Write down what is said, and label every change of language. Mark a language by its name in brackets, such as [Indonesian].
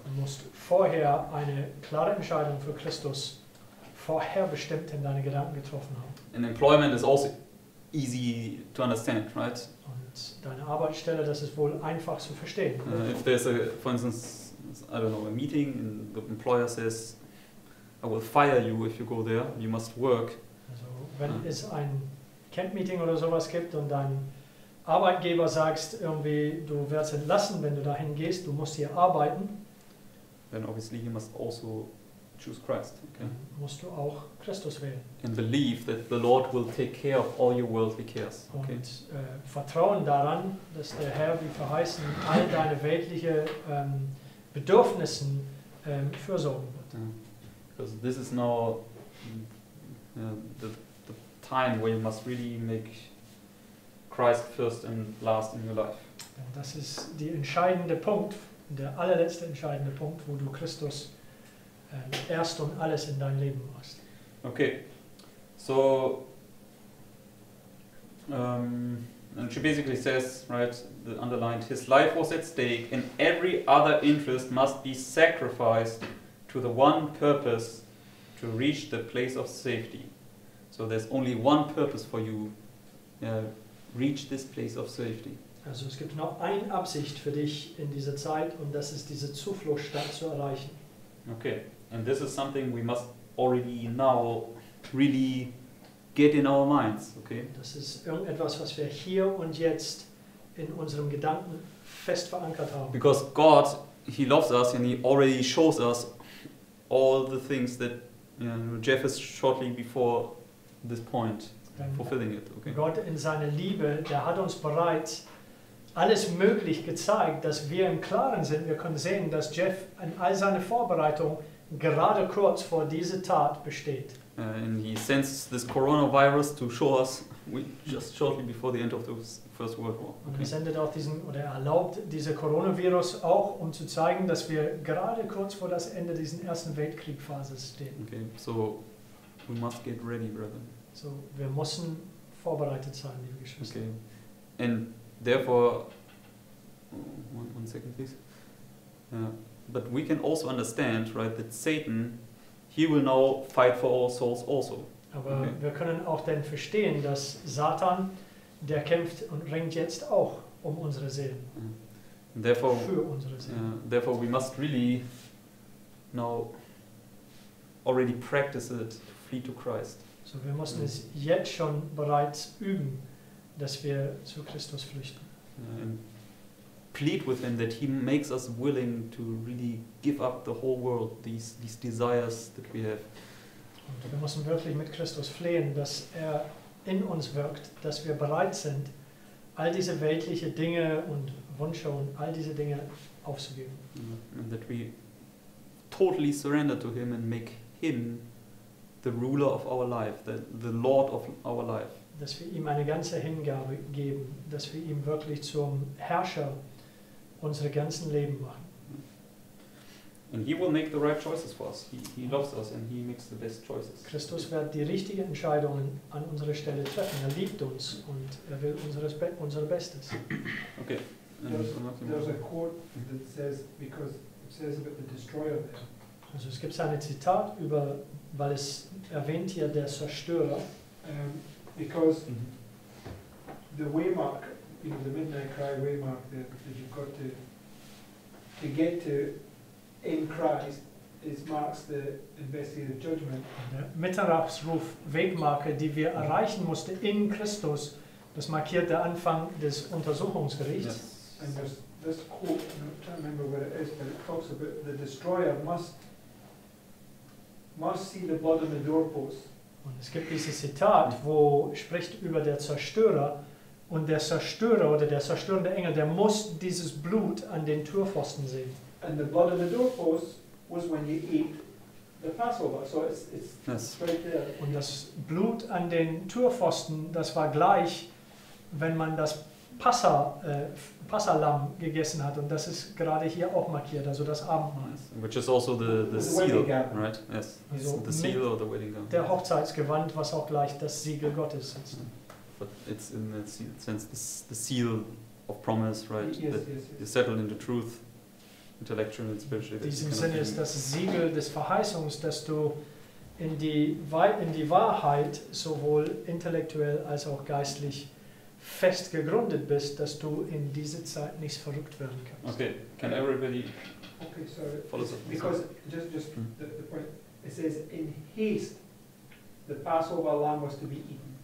[German] Du musst vorher eine klare Entscheidung für Christus vorherbestimmt in deine Gedanken getroffen haben. [English] And employment is also easy to understand, right? [German] Und deine Arbeitsstelle, das ist wohl einfach zu verstehen. [English] If there's a, for instance, I don't know, a meeting and the employer says, I will fire you if you go there, you must work. [German] Also wenn es ein Camp-Meeting oder sowas gibt und dein Arbeitgeber sagst irgendwie, du wirst entlassen, wenn du dahin gehst, du musst hier arbeiten. [English] Then obviously you must also choose Christ. Okay? [German] Musst du auch Christus wählen. [English] And believe that the Lord will take care of all your worldly cares. Okay? [German] Und vertrauen daran, dass der Herr, wie verheißen, all deine weltlichen Bedürfnissen fürsorgen wird. [English] Because this is now the time where you must really make Christ first and last in your life. [German] Das ist der entscheidende Punkt, der allerletzte entscheidende Punkt, wo du Christus erst und alles in dein Leben machst. [English] Okay, so and she basically says, right, the underlined, his life was at stake and every other interest must be sacrificed to the one purpose to reach the place of safety. So there's only one purpose for you, reach this place of safety. [German] Also es gibt nur eine Absicht für dich in dieser Zeit, und das ist diese Zufluchtsstadt zu erreichen. [English] Okay, and this is something we must already now really get in our minds, okay? [German] Das ist irgendetwas, was wir hier und jetzt in unserem Gedanken fest verankert haben. [English] Because God, he loves us and he already shows us all the things that, you know, Jeff is shortly before this point. Fulfilling it, okay. [German] Gott in seiner Liebe, der hat uns bereits alles möglich gezeigt, dass wir im Klaren sind. Wir können sehen, dass Jeff in all seiner Vorbereitung gerade kurz vor diese Tat besteht. [English] And he sends this coronavirus to show us we just shortly before the end of the First World War. [German] Und er sendet auch diesen, oder er erlaubt diese Coronavirus auch, um zu zeigen, dass wir gerade kurz vor das Ende dieses Ersten Weltkriegsphases stehen. [English] Okay, so we must get ready, brethren. [German] So, wir müssen vorbereitet sein, liebe Geschwister. [English] Okay, and therefore, one second please. But we can also understand, right, that Satan, he will now fight for all souls also. [German] Aber okay. Wir können auch dann verstehen, dass Satan, der kämpft und ringt jetzt auch um unsere Seelen. [English] Therefore, [German] für unsere Seelen. [English] Therefore we must really now already practice it to flee to Christ. [German] So wir müssen es jetzt schon bereits üben, dass wir zu Christus flüchten. [English] And plead with him that he makes us willing to really give up the whole world, these desires that we have. [German] Und wir müssen wirklich mit Christus flehen, dass er in uns wirkt, dass wir bereit sind, all diese weltliche Dinge und Wünsche und all diese Dinge aufzugeben. [English] And that we totally surrender to him and make him the ruler of our life, the Lord of our life. [German] Dass wir ihm eine ganze Hingabe geben, dass wir ihm wirklich zum Herrscher unseres ganzen Leben machen. [English] And he will make the right choices for us. He loves us and he makes the best choices. [German] Christus wird die richtigen Entscheidungen an unserer Stelle treffen. Er liebt uns und er will unser Bestes. Okay. [English] There's a quote that says, because it says about the destroyer there. [German] Also es gibt ein Zitat über, weil es erwähnt hier der Zerstörer. [English] Because the waymark, you know, the midnight cry waymark that you've got to get to in Christ, it marks the investigative judgment. [German] Der Mitternachtsruf Wegmarke, die wir erreichen mussten in Christus, das markiert der Anfang des Untersuchungsgerichts. [English] Yes. And there's this quote, I can't remember where it is, but it talks about the destroyer must see the blood on the doorpost. [German] Und es gibt dieses Zitat, wo spricht über der Zerstörer und der Zerstörer oder der zerstörende Engel, der muss dieses Blut an den Türpfosten sehen. [English] And the blood on the doorpost was when you eat the Passover. So it's right there. [German] Und das Blut an den Türpfosten, das war gleich, wenn man das Passalamm gegessen hat. Und das ist gerade hier auch markiert, also das Abendmahl. [English] Yes. Which is also the seal, right? Yes. Also the seal or the wedding garment. [German] Der Hochzeitsgewand, was auch gleich das Siegel Gottes ist. [English] But it's in the sense the seal of promise, right? Yes. It's settled in the truth. Intellectual and spiritual. [German] In diesem Sinne ist das Siegel des Verheißungs, dass du in die Wahrheit sowohl intellektuell als auch geistlich fest gegründet bist, dass du in diese Zeit nicht verrückt werden kannst. [English] Okay, can everybody okay, sorry. Follow us up? Because just the point, it says in haste the Passover lamb was to be eaten.